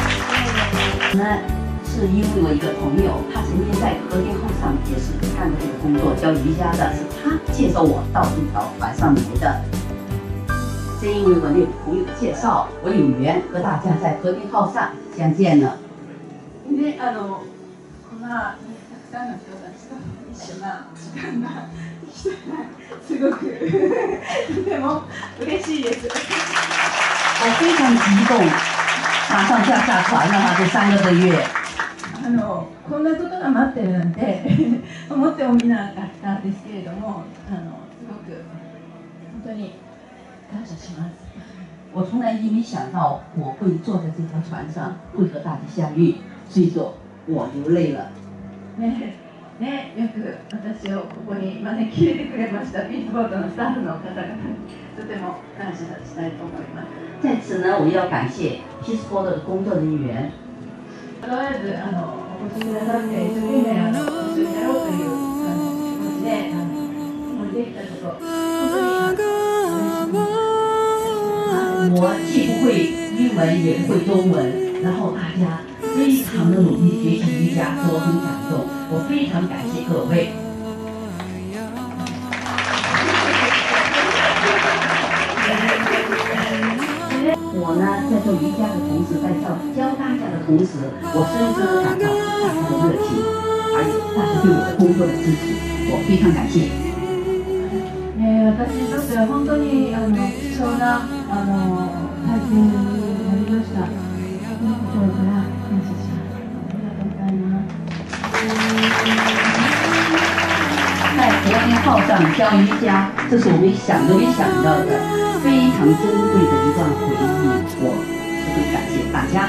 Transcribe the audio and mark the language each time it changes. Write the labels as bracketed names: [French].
[Chinese] 我们是因为我一个朋友，他曾经在和田后上也是干这个工作教瑜伽的，是他介绍我到这条板上来的。正因为我那朋友介绍，我有缘和大家在和田后上相见了。今天啊， [Japanese] こんなたくさんの人たちと一緒な時間がすごくとても嬉しいです。 [Chinese] 我非常激动。马上就要下船了嘛，这三个月。 [Japanese] こんなことが待ってるなんて思ってもみなかったんですけれども、すごく本当に感謝します。 [Chinese] 我从来也没想到我会坐在这条船上，会和大家相遇，所以说我流泪了。 [Japanese] ね、よく私をここに招き入れてくれましたビートボードのスタッフの方々にとても感謝したいと思います。 [Chinese] 在此呢，我要感谢 Peace Board 的工作人员。我既不会英文，也不会中文，然后大家非常的努力学习瑜伽，我很感动，我非常感谢各位。我呢，在做瑜伽的同时，在教大家的同时，我深深感到大家的热情，还有大家对我的工作的支持，我非常感谢。 [Japanese] 私にとっては本当に貴重な体験になりました。心から感謝します。ありがとうございます。 [Chinese] 在和田号上教瑜伽，这是我们想都没想到的。非常珍贵的一段回忆，我十分感谢大家。